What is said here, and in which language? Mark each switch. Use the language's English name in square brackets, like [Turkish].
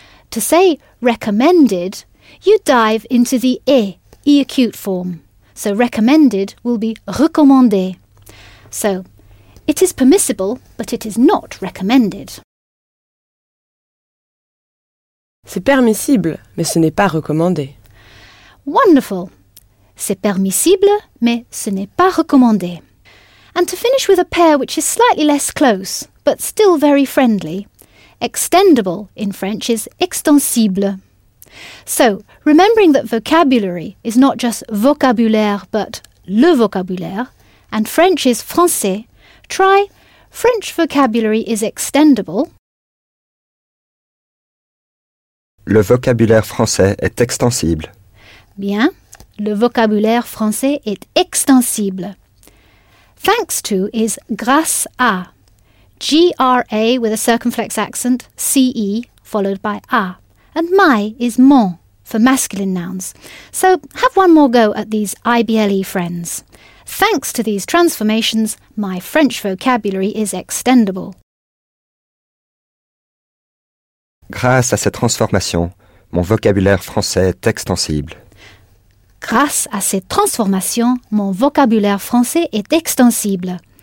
[English] To say recommended, you dive into the e acute form. So recommended will be recommandé. So, it is permissible, but it is not recommended. [French] C'est permissible, mais ce n'est pas recommandé. [English] Wonderful. [French] C'est permissible, mais ce n'est pas recommandé. [English] And to finish with a pair which is slightly less close, but still very friendly, extendable in French is extensible. So, remembering that vocabulary is not just vocabulaire, but le vocabulaire, and French is français, try French vocabulary is extendable. [French] Le vocabulaire français est extensible. Bien, le vocabulaire français est extensible. [English] Thanks to is grâce à. G-R-A with a circumflex accent, C-E, followed by A. And my is mon, for masculine nouns. So have one more go at these IBLE friends. Thanks to these transformations, my French vocabulary is extendable. [French] Grâce à ces transformations, mon vocabulaire français est extensible. Grâce à ces transformations, mon vocabulaire français est extensible.